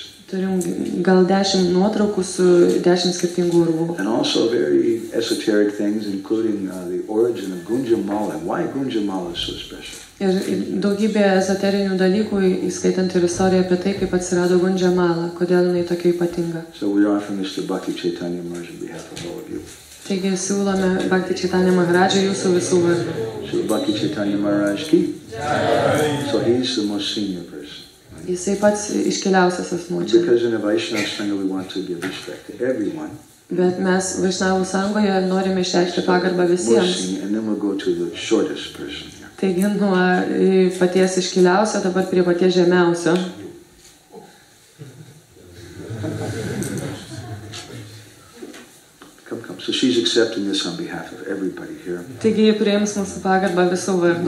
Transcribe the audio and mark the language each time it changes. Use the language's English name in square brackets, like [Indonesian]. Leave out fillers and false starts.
[Lithuanian] Turim gal 10 nuotraukų su 10 skirtingų urvų. [English] And also very esoteric things, including the origin of Gunjamala. Why Gunjamala is so special? [Lithuanian] Ir daugybė ezoterinių dalykų, įskaitant ir istoriją apie tai, kaip atsirado Gunjamala, kodėl jinai tokia ypatinga. [English] So we offer Mr. Bhakti Chaitanya Maharaj on behalf of all of you. [Lithuanian] Taigi siūlome Bhakti Chaitanya Maharaj jūsų visų vardu. [English] Bhakti Chaitanya Maharaj ki? So he's the most senior person. [Lithuanian] Jisai pats iškeliausias asmuo čia. [English] Because in a Vaishnava Sangha we want to give respect to everyone. [Lithuanian] Bet mes Vaishnava Sanghoje norime išreikšti pagarbą visiems. [English] And then we'll go to the shortest person. [Lithuanian] Taigi nuo paties iškiliausio, dabar prie paties žemiausio. [English] Come. So she's accepting this on behalf of everybody here. [Lithuanian] Taigi ji priims mūsų pagarbą visų vardu.